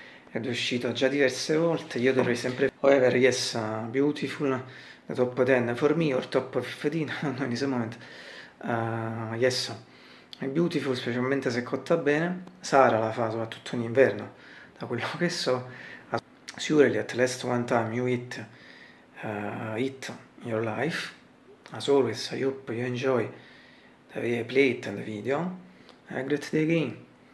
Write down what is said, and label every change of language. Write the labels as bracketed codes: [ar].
[it] Ed è uscito già diverse volte, io dovrei sempre... [en] However, yes, beautiful, the top 10 for me, or top 15, no, in this moment. Yes, [it] è [en] beautiful, [it] specialmente se cotta bene. Sara la fa soprattutto in inverno, da quello che so. [en] Surely, at least one time you eat it in your life. As always, I hope you enjoy the plate and the video. Have a great day again.